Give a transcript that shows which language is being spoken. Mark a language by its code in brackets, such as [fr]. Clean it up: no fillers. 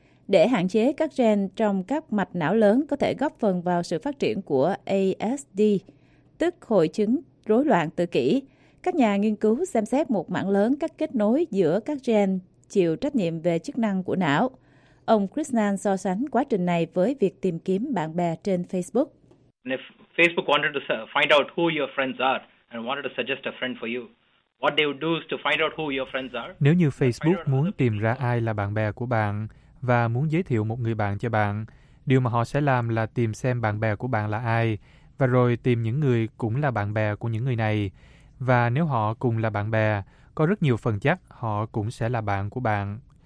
[vi] Để hạn chế các gen trong các mạch não lớn có thể góp phần vào sự phát triển của ASD, tức hội chứng rối loạn tự kỷ, các nhà nghiên cứu xem xét một mảng lớn các kết nối giữa các gen chịu trách nhiệm về chức năng của não. Ông Krishnan so sánh quá trình này với việc tìm kiếm bạn bè trên Facebook. [en] If Facebook wanted to find out who your friends are and wanted to suggest a friend for you, what they would do is to find out who your friends are. [vi] Nếu như Facebook muốn tìm ra ai là bạn bè của bạn và muốn giới thiệu một người bạn cho bạn, điều mà họ sẽ làm là tìm xem bạn bè của bạn là ai và rồi tìm những người cũng là bạn bè của những người này. Và nếu họ cùng là bạn bè, có rất nhiều phần chắc họ cũng sẽ là bạn của bạn.